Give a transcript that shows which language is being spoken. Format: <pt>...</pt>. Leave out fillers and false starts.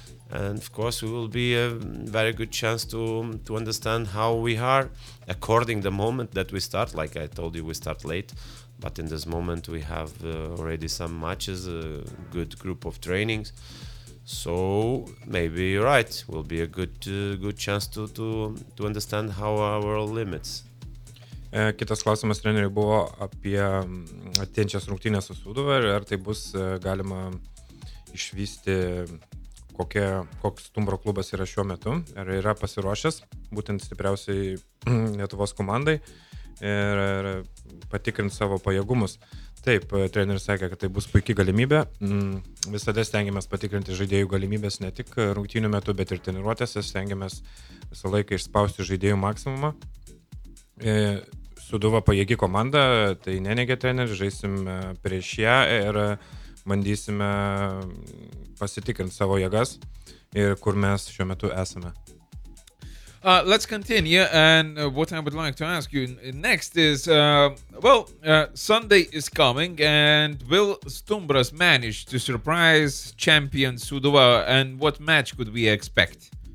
<en>And of course, we will be a very good chance to understand how we are according the moment that we start. Like I told you, we start late. But in this moment we have already some matches, a good group of trainings. So maybe you're right, will be a good chance to understand how our limits.</en> <lt>Kitas klausimas treneriui buvo apie atėjančias rungtynės su Suduva, ar tai bus galima išvysti, koks Stumbro klubas yra šiuo metu, ar yra pasiruošęs būtent stipriausiai Lietuvos komandai. Ir patikrint savo pajėgumus. Taip, treneris sakė, kad tai bus puiki galimybė. Visada stengiamės patikrinti žaidėjų galimybės ne tik rungtynių metu, bet ir treniruotėse. Stengiamės visą laiką išspausti žaidėjų maksimumą. Suduva pajėgi komanda, tai neneigia treneris, žaisim prieš ją ir bandysime pasitikrinti savo jėgas ir kur mes šiuo metu esame.</lt> <en>Let's continue, and what I would like to ask you next is, Sunday is coming, and will Stumbras manage to surprise champion Suduva, and what match could we expect?</en>